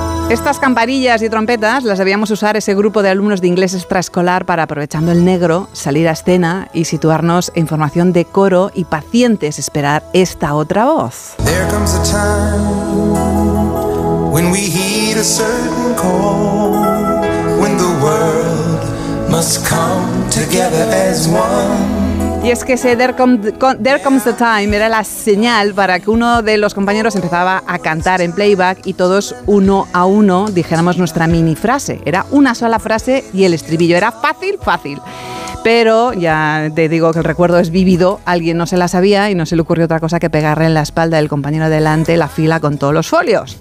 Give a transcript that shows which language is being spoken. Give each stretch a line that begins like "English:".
Spanish: Estas campanillas y trompetas las debíamos usar ese grupo de alumnos de inglés extraescolar para, aprovechando el negro, salir a escena y situarnos en formación de coro y pacientes esperar esta otra voz.
English: There comes a time when we heed a certain call, when the world must come together as one.
Spanish: Y es que ese There Comes the Time era la señal para que uno de los compañeros empezaba a cantar en playback y todos uno a uno dijéramos nuestra mini frase. Era una sola frase y el estribillo era fácil, fácil. Pero ya te digo que el recuerdo es vívido, alguien no se la sabía y no se le ocurrió otra cosa que pegarle en la espalda del compañero delante la fila con todos los folios.